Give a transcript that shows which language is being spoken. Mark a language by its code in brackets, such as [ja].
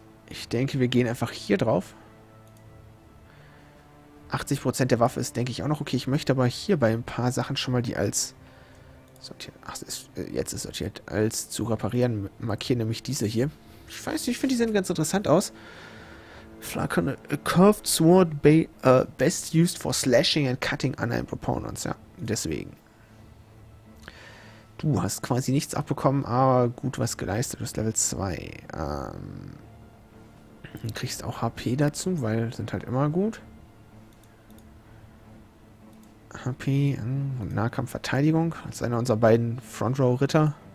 [de] Ich denke, wir gehen einfach hier drauf. 80% der Waffe ist, denke ich, auch noch okay. Ich möchte aber hier bei ein paar Sachen schon mal die als sortiert. Ach, ist, jetzt ist sortiert. Als zu reparieren markieren, nämlich diese hier. Ich weiß nicht, ich finde, die sehen ganz interessant aus. [en] Flakon, a curved sword best used for slashing and cutting unarmed opponents. [de] Ja, deswegen. Du hast quasi nichts abbekommen, aber gut was geleistet. Du hast Level 2. Du kriegst auch HP dazu, weil sind halt immer gut. HP und Nahkampfverteidigung. Als einer unserer beiden Front-Row-Ritter.